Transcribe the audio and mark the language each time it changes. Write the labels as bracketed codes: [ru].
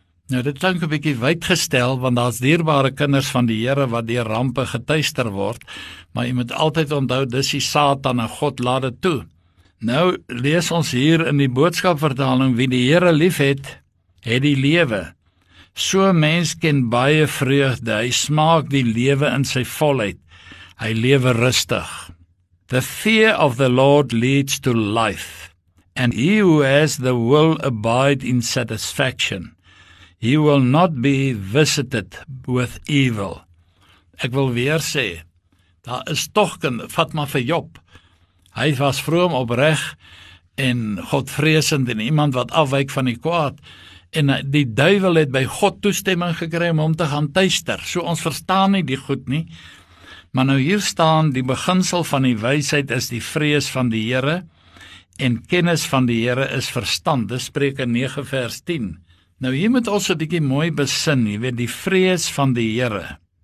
[af] Nou, dit klink 'n bietjie wydgestel, want daar is dierbare kinders van die Here wat deur rampe geteister word, maar jy moet altyd onthou, dis die Satan en God laat dit toe. Nou, lees ons hier in die boodskapvertaling, wie die Here lief het, het die lewe. So mens ken baie vreugde, hy smaak die lewe in sy volheid, hy lewe rustig. [en] The fear of the Lord leads to life, and he who has the will abide in satisfaction. He will not be visited with evil. [af] Ek wil weer sê, daar is toch, vat maar vir Job, hy was vroom opreg en godvreesend en iemand wat afwyk van die kwaad, en die duivel het by God toestemming gekry om hom te gaan teister, so ons verstaan nie die goed nie, maar nou hier staan, die beginsel van die wysheid is die vrees van die Here, en kennis van die Here is verstand, dis Spreuke 9 vers 10, Nou, hier moet ons 'n bietjie mooi besin, jy weet, die vrees van die Here.